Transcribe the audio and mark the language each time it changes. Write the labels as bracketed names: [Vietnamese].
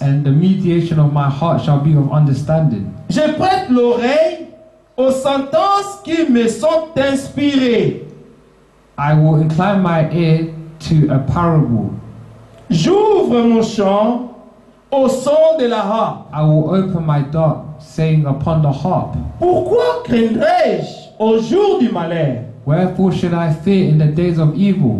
[English] And the mediation of my heart shall be of understanding. [French] Je prête l'oreille aux sentences qui me sont inspirées. [English] I will incline my ear to a parable. [French] J'ouvre mon chant au son de la harpe. [English] I will open my door saying upon the harp. [French] Pourquoi craindrais-je au jour du malheur? [English] Wherefore should I fear in the days of evil?